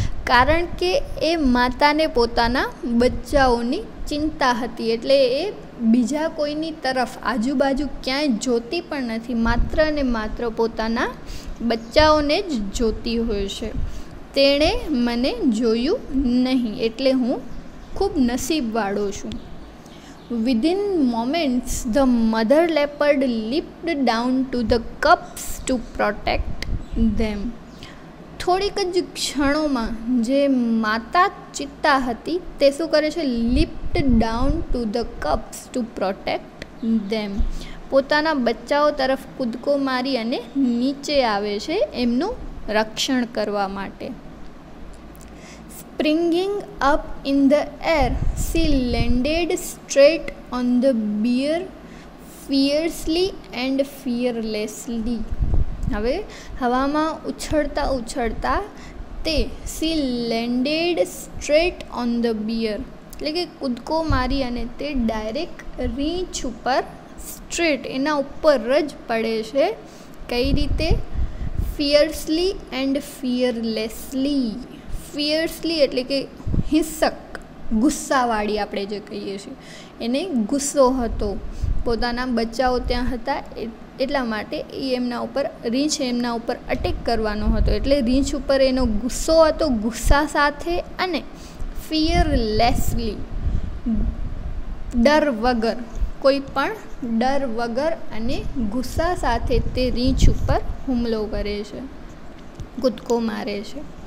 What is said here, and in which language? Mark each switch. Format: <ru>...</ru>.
<gu>કારણ કે એ માતાને પોતાના બચ્ચાઓની ચિંતા હતી એટલે એ બીજા કોઈની તરફ આજુબાજુ ક્યાંય જોતી પણ નથી, માત્ર ને માત્ર પોતાના બચ્ચાઓને જ જોતી હોય છે. તેણે મને જોયું નહીં એટલે હું ખૂબ નસીબવાળો છું.</gu> <en>Within moments, the mother leopard leaped down to the cubs to protect them.</en> <gu>થોડીક જ ક્ષણોમાં જે માતા ચિત્તા હતી તે શું કરે છે,</gu> <en>lift down to the cups to protect them,</en> <gu>પોતાના બચ્ચાઓ તરફ કૂદકો મારી અને નીચે આવે છે એમનું રક્ષણ કરવા માટે.</gu> <en>Springing up in the air, she landed straight on the bear fiercely and fearlessly.</en> <gu>હવે હવામાં ઉછળતા ઉછળતા તે</gu> <en>she landed straight on the bear</en> <gu>એટલે કે કૂદકો મારી અને તે ડાયરેક્ટ રીંછ ઉપર, સ્ટ્રેટ એના ઉપર જ પડે છે. કઈ રીતે?</gu> <en>Fiercely and fearlessly.</en> <gu>ફિયર્સલી એટલે કે હિંસક, ગુસ્સાવાળી આપણે જે કહીએ છીએ, એને ગુસ્સો હતો. પોતાના બચ્ચાઓ ત્યાં હતા એટલા માટે એ એમના ઉપર રીંછ એમના ઉપર અટેક કરવાનો હતો એટલે રીંછ ઉપર એનો ગુસ્સો હતો, ગુસ્સા સાથે અને ફિયરલેસલી, ડર વગર, કોઈ પણ ડર વગર અને ગુસ્સા સાથે તે રીંછ ઉપર હુમલો કરે છે, કૂદકો મારે છે.</gu>